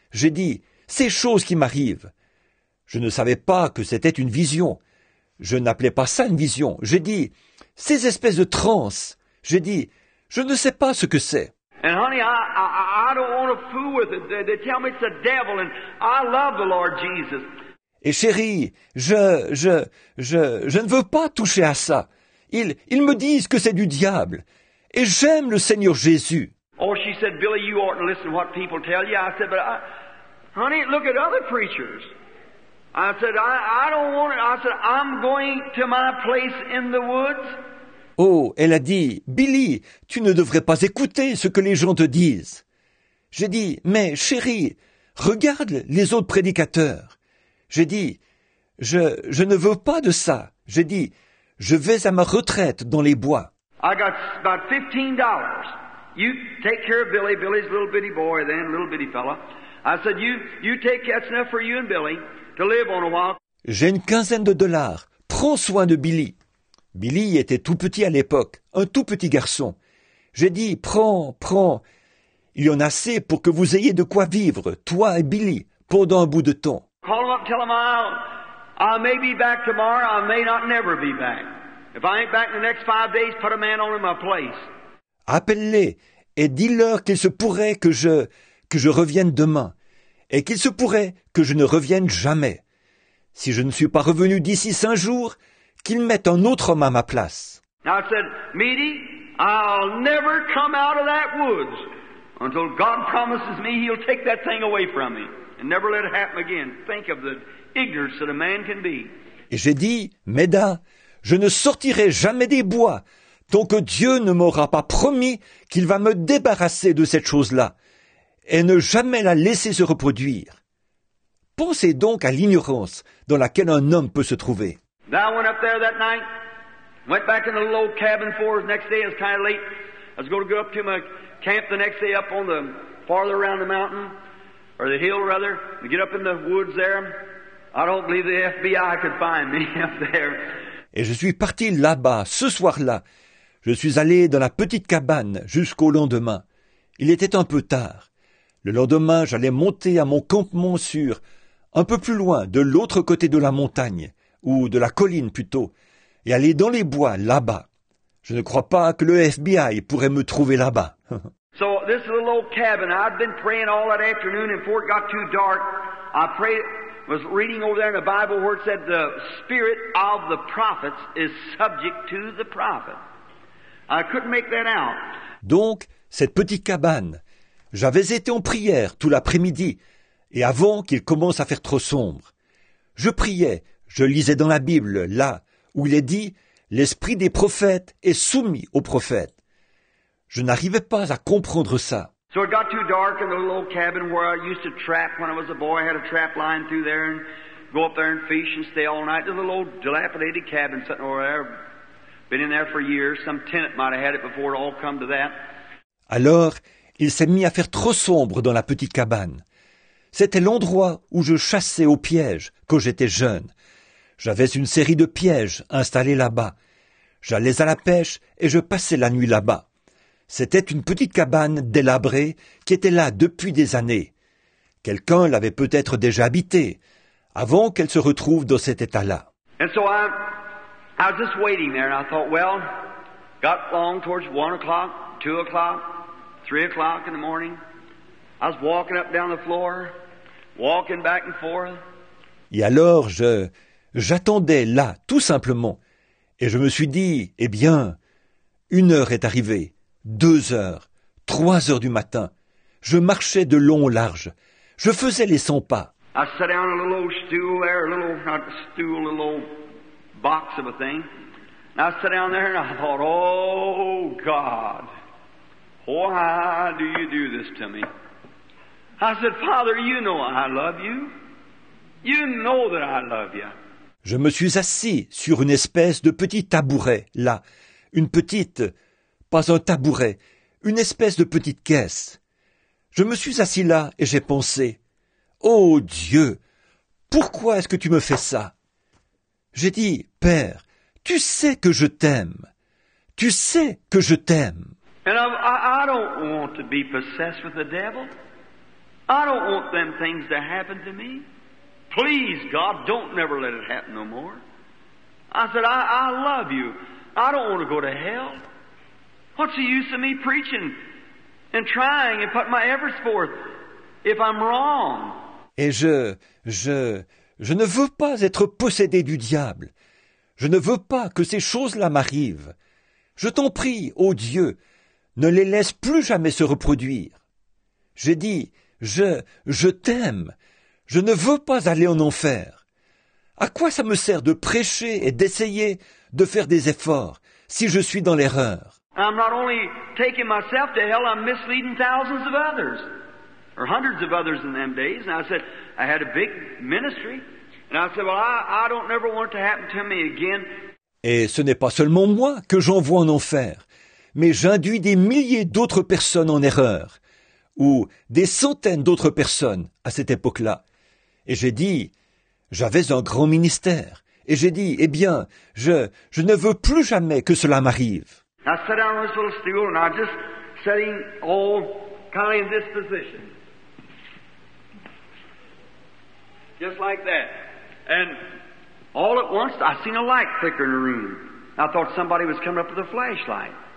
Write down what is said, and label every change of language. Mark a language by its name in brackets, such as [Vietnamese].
[French] J'ai dit, ces choses qui m'arrivent. Je ne savais pas que c'était une vision. Je n'appelais pas ça une vision. J'ai dit, ces espèces de transes. J'ai dit, je ne sais pas ce que c'est. [English] And honey, I don't want to fool with it. They tell me it's the devil, and I love the Lord Jesus. [French] Et chérie, je ne veux pas toucher à ça. Ils me disent que c'est du diable. Et j'aime le Seigneur Jésus. [English] Oh, she said, Billy, you ought to listen to what people tell you. I said, but I, honey, look at other preachers. I said, I don't want it. I said, I'm going to my place in the woods. [French] Oh, elle a dit, Billy, tu ne devrais pas écouter ce que les gens te disent. J'ai dit, mais chérie, regarde les autres prédicateurs. J'ai dit, je ne veux pas de ça. J'ai dit, je vais à ma retraite dans les bois. [English] I got about $15. You take care of Billy. Billy's a little bitty boy then, little bitty fella. I said, you take that's enough for you and Billy to live on a while. [French] J'ai une quinzaine de dollars. Prends soin de Billy. Billy était tout petit à l'époque, un tout petit garçon. J'ai dit, prends. Il y en a assez pour que vous ayez de quoi vivre, toi et Billy, pendant un bout de temps. [English] Call him up, tell him I may be back tomorrow, I may not never be back. If I ain't back in the next 5 days, put a man on in my place. [French] Appelle-les et dis-leur qu'il se pourrait que je revienne demain et qu'il se pourrait que je ne revienne jamais. Si je ne suis pas revenu d'ici 5 jours, qu'ils mettent un autre homme à ma place. [English] I said, Meaty, I'll never come out of that woods until God promises me he'll take that thing away from me and never let it happen again. Think of the ignorance that a man can be. [French] Et j'ai dit, Meda, je ne sortirai jamais des bois tant que Dieu ne m'aura pas promis qu'il va me débarrasser de cette chose-là et ne jamais la laisser se reproduire. Pensez donc à l'ignorance dans laquelle un homme peut se trouver. [English] Now I went up there that night, went back in the little old cabin for us. Next day, it was kind of late. I was going to go up to my camp the next day up on the farther around the mountain, or the hill rather, to get up in the woods there. I don't believe the FBI could find me up there. [French] Et je suis parti là-bas, ce soir-là. Je suis allé dans la petite cabane jusqu'au lendemain. Il était un peu tard. Le lendemain, j'allais monter à mon campement sur, un peu plus loin, de l'autre côté de la montagne, ou de la colline plutôt, et aller dans les bois là-bas. Je ne crois pas que le FBI pourrait me trouver là-bas. [English] So this little old cabin, I'd been praying all that afternoon, and before it got too dark, I prayed, was reading over there in the Bible where it said the spirit of the prophets is subject to the prophet. I couldn't make that out. [French] Donc, cette petite cabane, j'avais été en prière tout l'après-midi, et avant qu'il commence à faire trop sombre, je priais, je lisais dans la Bible, là, où il est dit, l'esprit des prophètes est soumis aux prophètes. Je n'arrivais pas à comprendre ça. [English] So it got too dark in the little cabin where I used to trap when I was a boy. I had a trap line through there and go up there and fish and stay all night. There's a little dilapidated cabin sitting over there. Been in there for years. Some tenant might have had it before it all come to that. [French] Alors, il s'est mis à faire trop sombre dans la petite cabane. C'était l'endroit où je chassais au piège quand j'étais jeune. J'avais une série de pièges installés là-bas. J'allais à la pêche et je passais la nuit là-bas. C'était une petite cabane délabrée qui était là depuis des années. Quelqu'un l'avait peut-être déjà habitée avant qu'elle se retrouve dans cet état-là. [English] And so I was just waiting there and I thought, well, got along towards 1 o'clock, 2 o'clock, 3 o'clock in the morning. I was walking up down the floor, walking back and forth. [French] Et alors, j'attendais là, tout simplement. Et je me suis dit, eh bien, 1 heure est arrivée, 2 heures, 3 heures du matin. Je marchais de long au large. Je faisais les 100 pas. [English] I sat down on a little old stool there, a little, not a stool, a little old box of a thing. And I sat down there and I thought, oh God, why do you do this to me? I said, Father, you know I love you. You know that I love you. [French] Je me suis assis sur une espèce de petit tabouret, là. Une petite, pas un tabouret, une espèce de petite caisse. Je me suis assis là et j'ai pensé, « Oh Dieu, pourquoi est-ce que tu me fais ça ?» J'ai dit, « Père, tu sais que je t'aime. Tu sais que je t'aime. » [English] And I don't want to be possessed with the devil. I don't want them things to happen to me. Please, God, don't never let it happen no more. I said, I love you. I don't want to go to hell. What's the use of me preaching and trying and putting my efforts forth if I'm wrong? [French] Et je ne veux pas être possédé du diable. Je ne veux pas que ces choses-là m'arrivent. Je t'en prie, ô Dieu, ne les laisse plus jamais se reproduire. J'ai dit, je t'aime. Je ne veux pas aller en enfer. À quoi ça me sert de prêcher et d'essayer de faire des efforts si je suis dans l'erreur? [English] I'm not only taking myself to hell, I'm misleading thousands of others, or hundreds of others in them days. And I said, I had a big ministry. And I said, well, I don't never want it to happen to me again. [French] Et ce n'est pas seulement moi que j'envoie en enfer, mais j'induis des milliers d'autres personnes en erreur, ou des centaines d'autres personnes à cette époque-là. Et j'ai dit, j'avais un grand ministère, et j'ai dit, eh bien, je ne veux plus jamais que cela m'arrive. [English] I sat down on this little stool and I just sitting all kind of in this position. Just like that. And all at once, I seen a light flicker in the room. I thought somebody was coming up with a flashlight.